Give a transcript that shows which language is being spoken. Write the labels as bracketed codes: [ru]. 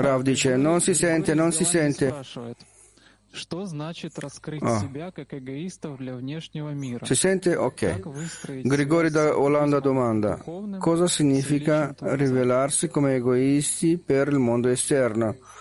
[it] Рав dice, non si sente, non si sente. [ru] Что значит раскрыть себя как эгоиста для внешнего мира? [it] Si sente? Ok. Grigori da Olanda domanda: cosa significa rivelarsi come egoisti per il mondo esterno?